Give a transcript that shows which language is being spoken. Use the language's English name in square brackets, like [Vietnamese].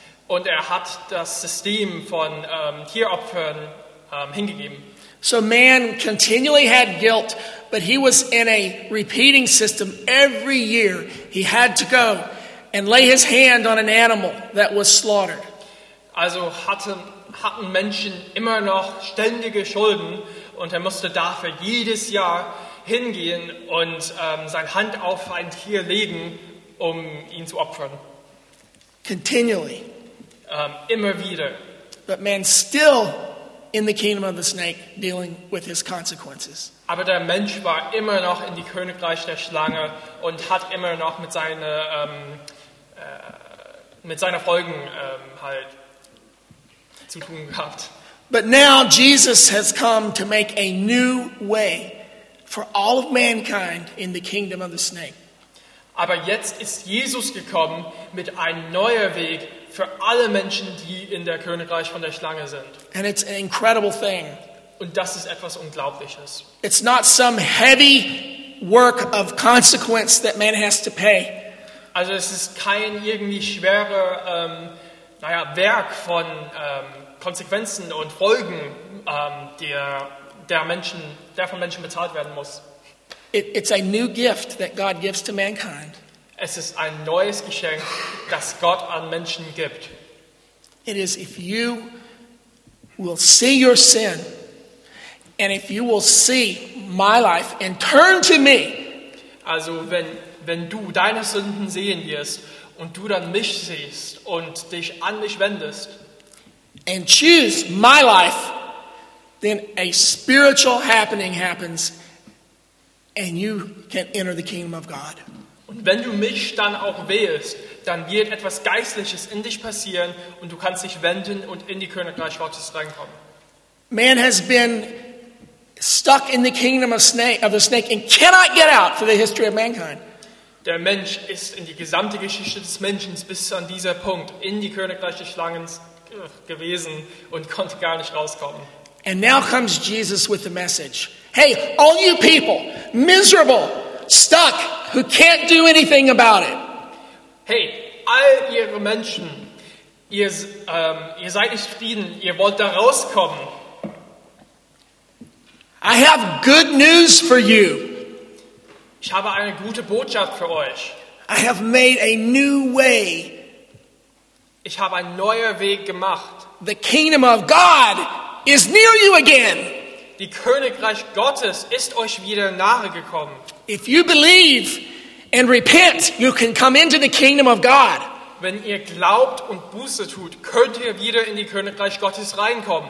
[German] Und er hat das System von Tieropfern hingegeben. [English] So man continually had guilt, but he was in a repeating system. Every year he had to go and lay his hand on an animal that was slaughtered. [German] Also hatten Menschen immer noch ständige Schulden, und er musste dafür jedes Jahr hingehen und seine Hand auf ein Tier legen, um ihn zu opfern. [English] Continually. [German] Immer wieder. [English] But man still in the kingdom of the snake dealing with his consequences. [German] Aber der Mensch war immer noch in die Königreich der Schlange und hat immer noch mit seiner Folgen halt zu tun gehabt. [English] But now Jesus has come to make a new way for all of mankind in the kingdom of the snake. [German] Aber jetzt ist Jesus gekommen mit einem neuen Weg für alle Menschen, die in der Königreich von der Schlange sind. [English] And it's an incredible thing. [German] Und das ist etwas Unglaubliches. [English] It's not some heavy work of consequence that man has to pay. [German] Also es ist kein irgendwie schwerer Werk von Konsequenzen und Folgen, der von Menschen bezahlt werden muss. [English] It's a new gift that God gives to mankind. [German] Es ist ein neues Geschenk, das Gott an Menschen gibt. [English] It is if you will see your sin and if you will see my life and turn to me. [German] Also wenn du deine Sünden sehen wirst und du dann mich siehst und dich an mich wendest. [English] And choose my life, then a spiritual happening happens and you can enter the kingdom of God. [German] Und wenn du mich dann auch wählst, dann wird etwas Geistliches in dich passieren und du kannst dich wenden und in die Königreich Gottes reinkommen. [English] Man has been stuck in the kingdom of the snake and cannot get out for the history of mankind. [German] Der Mensch ist in die gesamte Geschichte des Menschen bis an dieser Punkt in die Königreich des Schlangens gewesen und konnte gar nicht rauskommen. [English] And now comes Jesus with the message. Hey, all you people, miserable, stuck, who can't do anything about it. [German] Hey, all ihr Menschen, ihr seid nicht zufrieden, ihr wollt da rauskommen. [English] I have good news for you. [German] Ich habe eine gute Botschaft für euch. [English] I have made a new way. [German] Ich habe einen neuen Weg gemacht. [English] The kingdom of God is near you again. [German] Die Königreich Gottes ist euch wieder nahe gekommen. [English] If you believe and repent, you can come into the kingdom of God. [German] Wenn ihr glaubt und Buße tut, könnt ihr wieder in die Königreich Gottes reinkommen.